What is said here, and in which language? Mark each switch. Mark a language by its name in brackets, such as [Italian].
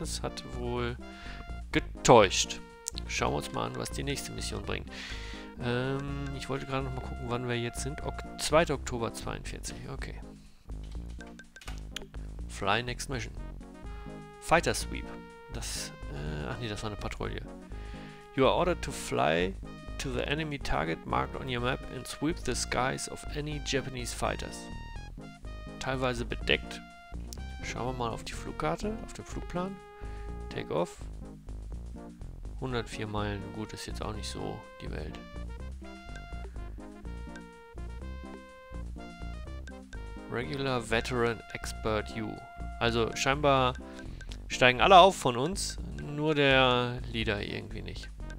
[German] Das hat wohl getäuscht. Schauen wir uns mal an, was die nächste Mission bringt. Ich wollte gerade noch mal gucken, wann wir jetzt sind. 2. Oktober 42. Okay. [English] Fly next mission. Fighter sweep. [German] Das war eine Patrouille. [English] You are ordered to fly to the enemy target marked on your map and sweep the skies of any Japanese fighters. [German] Teilweise bedeckt. Schauen wir mal auf die Flugkarte, auf den Flugplan. [English] Take off. [German] 104 Meilen. Gut, ist jetzt auch nicht so die Welt. Regular Veteran Expert U. Also scheinbar steigen alle auf von uns, nur der Leader irgendwie nicht.